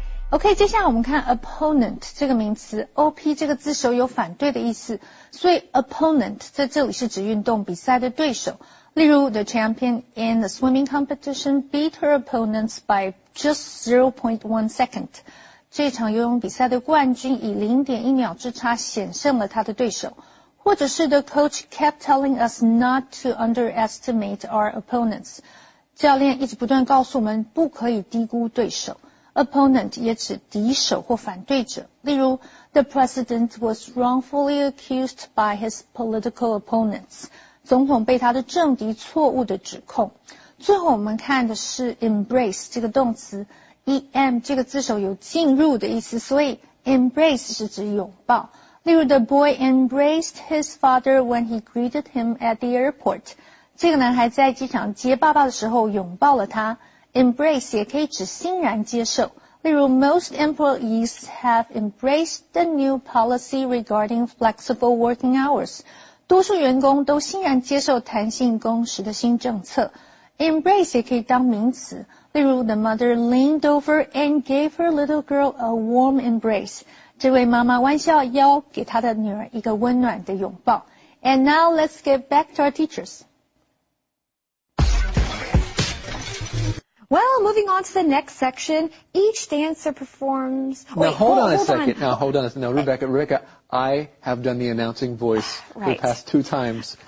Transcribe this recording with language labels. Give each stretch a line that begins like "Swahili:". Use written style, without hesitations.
Chinese: OK， 接下来我们看 opponent 这个名词 ，OP 这个字首有反对的意思，所以 opponent 在这里是指运动比赛的对手。例如
English: ，the champion in the swimming competition beat her opponents by just 0.1 second。
Chinese: 这场游泳比赛的冠军以 0.1 秒之差险胜了他的对手。或者是
English: the coach kept telling us not to underestimate our opponents。
Chinese: 教练一直不断告诉我们不可以低估对手。 Opponent 也指敌手或反对者。例如
English: ,the president was wrongfully accused by his political opponents.
Chinese: 总统被他的政敌错误的指控。最后我们看的是 embrace 这个动词。EM 这个字首有进入的意思，所以 embrace 是指拥抱。例如
English: ,the boy embraced his father when he greeted him at the airport.
Chinese: 这个男孩在机场接爸爸的时候拥抱了他。
English: Embrace
Chinese: 也可以指欣然接受。例如
English: ,most employees have embraced the new policy regarding flexible working hours.
Chinese: 多数员工都欣然接受弹性工时的新政策。
English: Embrace
Chinese: 也可以当名词，例如
English: The mother leaned over and gave her little girl a warm embrace.
Chinese: 这位妈妈弯下腰给她的女儿一个温暖的拥抱。
English: And now let's get back to our teachers. Well, moving on to the next section, each dancer performs... Now, hold on a second. Rebecca, I have done the announcing voice for the past two times.